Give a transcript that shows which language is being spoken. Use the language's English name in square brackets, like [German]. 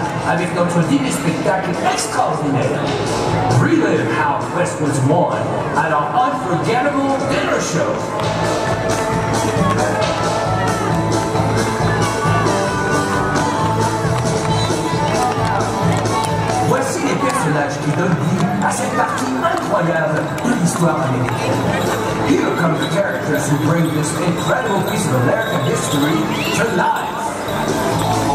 [French] Avec notre dîner spectacle extraordinaire. [English] Relive how West was won at our unforgettable dinner show. [French] Voici les personnages qui donnent vie à cette partie incroyable de l'histoire américaine. [English] Here come the characters who bring this incredible piece of American history to life.